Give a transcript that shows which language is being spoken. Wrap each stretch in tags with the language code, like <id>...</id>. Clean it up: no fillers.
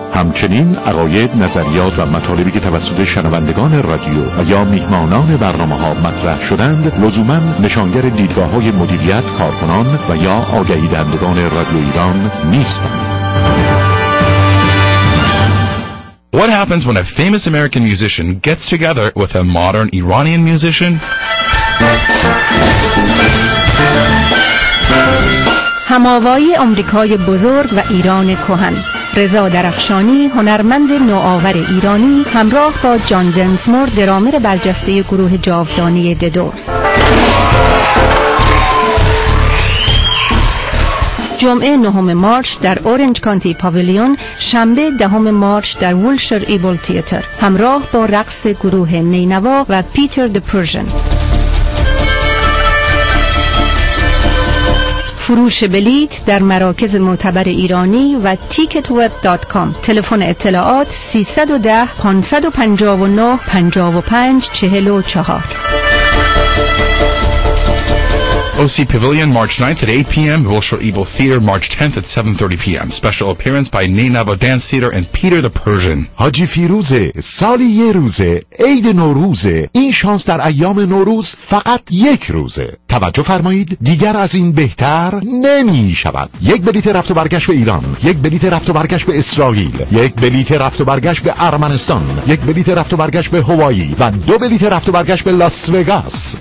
<fa>همچنین عقاید، نظریات و مطالبی که توسط شنوندگان رادیو و یا میهمانان برنامه‌ها مطرح شدند، لزوماً نشانگر دیدگاه‌های مدیریت، کارکنان و یا آگهی دهندگان رادیو ایران نیستند.</fa> <en>What happens when a famous American musician gets together with a modern Iranian musician?</en> <fa>هم‌آوایی آمریکای بزرگ و ایران کهن. رضا درخشانی، هنرمند نوآور ایرانی، همراه با جان دنسمور، درامر برجسته گروه جاودانی ددورس. جمعه 9 مارس در اورنج کانتی پاویلیون، شنبه 10 مارس در وولشر ایبل تیتر، همراه با رقص گروه نینوا و پیتر د پرژن. فروش بلیت در مراکز معتبر ایرانی و ticketweb.com. تلفن اطلاعات 310-559-5544.</fa> <en>OC Pavilion, March 9th at 8 p.m. Wilshire Evil Theater, March 10th at 7:30 p.m. Special appearance by Nainava Dance Theater and Peter the Persian.</en> <fa>حاجی فیروزه، سالی یه روزه، عید نوروزه، این شانس در ایام نوروز فقط یک روزه. توجه فرمایید، دیگر از این بهتر نمی شود. یک بلیت رفت و برگشت به ایران، یک بلیت رفت و برگشت به اسرائیل، یک بلیت رفت و برگشت به ارمنستان، یک بلیت رفت و برگشت به هوایی و دو بلیت رفت و برگشت به لاس وگاس.</fa>